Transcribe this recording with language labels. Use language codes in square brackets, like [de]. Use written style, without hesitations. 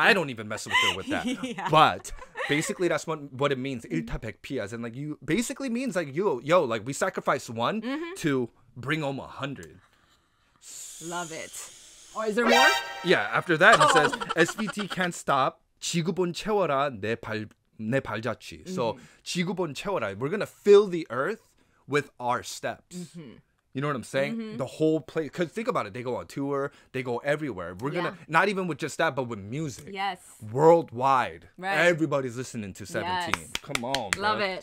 [en] I don't even mess with her with that. Yeah. But basically, that's what it means. 일타 백피, as in like you basically means like you, yo, like we sacrifice one to bring home 100. Love it. Or is there more? Yeah, after that, he says, SVT can't stop. [ko] 지구본 채워라 내 발자취. So, 지구본 채워라. [en] We're going to fill the earth with our steps. You know what I'm saying? The whole place. Because think about it. They go on tour. They go everywhere. We're going to, not even with just that, but with music. Yes. Worldwide. Right. Everybody's listening to 17. Yes. Come on, bro. Love it.